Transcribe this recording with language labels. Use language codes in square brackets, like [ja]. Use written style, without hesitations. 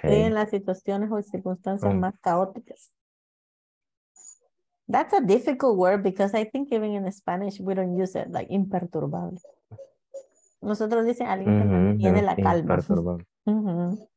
[es] Esté en las situaciones o circunstancias más caóticas. [en] That's a difficult word because I think even in Spanish we don't use it like imperturbable. [es] Nosotros dicen alguien que mantiene la calma. Mm-hmm.